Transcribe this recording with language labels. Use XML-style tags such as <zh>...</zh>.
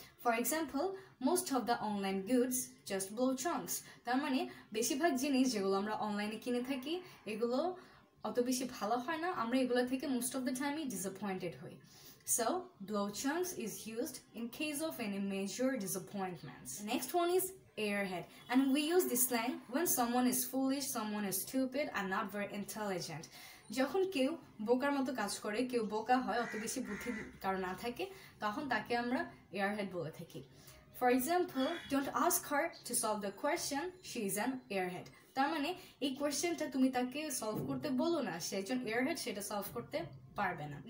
<en>for example, most of the online goods just blow chunks,</en> <bn>তার মানে বেশিরভাগ জিনিস যেগুলো আমরা অনলাইনে কিনে থাকি এগুলো অত বেশি ভালো হয় না, আমরা এগুলো থেকে মোস্ট অফ দ্য টাইমই ডিসঅ্যাপয়েন্টেড হই।</bn> <en>So, blow chunks is used in case of any major disappointments. Next one is airhead. And we use this slang when someone is foolish, someone is stupid and not very intelligent.</en> <bn>যখন কেউ বোকার মতো কাজ করে, কেউ বোকা হয়, অত বেশি বুদ্ধির কারো না থাকে, তখন তাকে আমরা এয়ারহেড বলে থাকি।</bn> <en>for example, don't ask her to solve the question, she is an airhead,</en> <bn>তার মানে এই কোয়েশ্চেনটা তুমি তাকে সলভ করতে বলো না, সে একজন এয়ারহেড, সেটা সলভ করতে পারবে না।</bn>